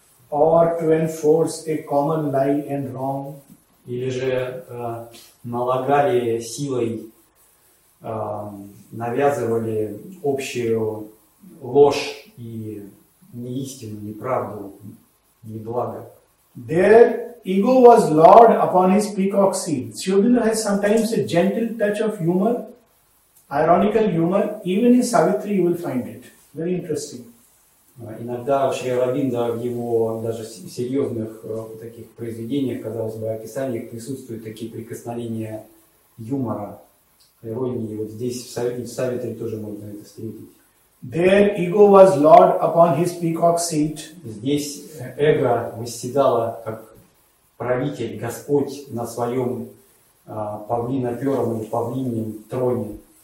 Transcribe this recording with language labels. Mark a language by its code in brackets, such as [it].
[en] Or to enforce a common lie and wrong. [ru] Или же налагали силой, навязывали общую ложь и неистину, неправду, неблаго. [en] Their ego was lord upon his peacock seat. Suddhodana has sometimes a gentle touch of humor. Ironical humor, even in Savitri you will find it. Very interesting. [ru] Иногда Шри Аравинда в его даже серьезных таких произведениях, казалось бы, описаниях, присутствуют такие прикосновения юмора, иронии. Вот здесь в Савитри тоже можно это встретить. [en] There ego was lord upon his peacock seat. [ru] Здесь эго восседало как правитель, Господь на своем павлинопером или павлиньем троне.